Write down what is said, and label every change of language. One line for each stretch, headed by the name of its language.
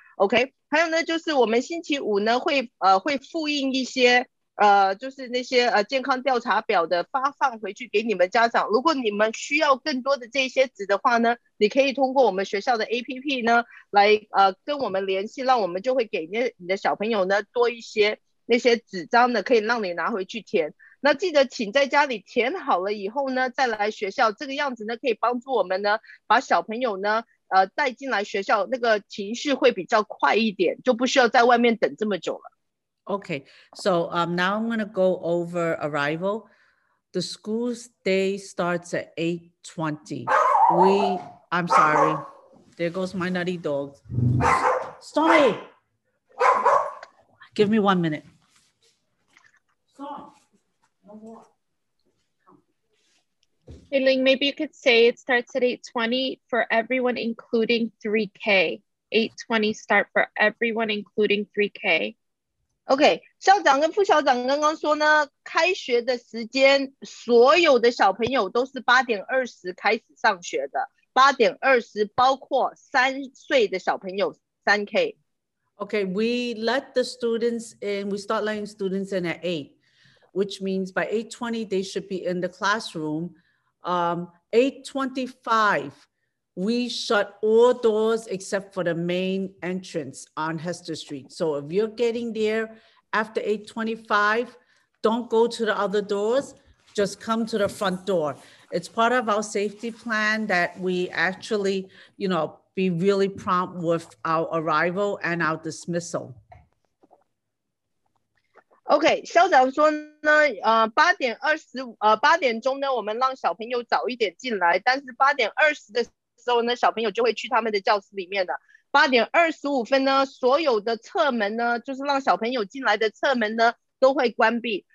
Chinese: OK, 还有呢就是我们星期五呢会复印一些就是那些健康调查表的发放回去给你们家长。如果你们需要更多的这些纸的话呢，你可以通过我们学校的 APP 呢来跟我们联系，让我们就会给你的小朋友呢多一些那些纸张的，可以让你拿回去填。那记得请在家里填好了以后呢再来学校，这个样子呢可以帮助我们呢把小朋友呢带进来学校，那个情绪会比较快一点，就不需要在外面等这么久了。
English: Okay, so now I'm going to go over arrival. The school's day starts at 8:20. I'm sorry. There goes my nutty dog. Stop it. Give me 1 minute. Stop. No more. Hey, Ling, maybe you could say it starts at 8:20 for everyone, including 3K. 8:20 start for everyone, including 3K.
Chinese: OK, 校长跟副校长刚刚说呢，开学的时间所有的小朋友都是8:20开始上学的，8:20包括3岁的小朋友 3K.
English: OK, we let the students in, we start letting students in at 8, which means by 8:20 they should be in the classroom. 8:25, we shut all doors except for the main entrance on Hester Street. So if you're getting thereAfter 8:25, don't go to the other doors, just come to the front door. It's part of our safety plan that we actually, you know, be really prompt with our arrival and our dismissal.
Chinese: Okay, 校长说呢，8:20, 8点钟呢，我们让小朋友早一点进来，但是8:20的时候呢，小朋友就会去他们的教室里面了。 8:25呢，所有的侧门呢，就是让小朋友进来的侧门呢，都会关闭。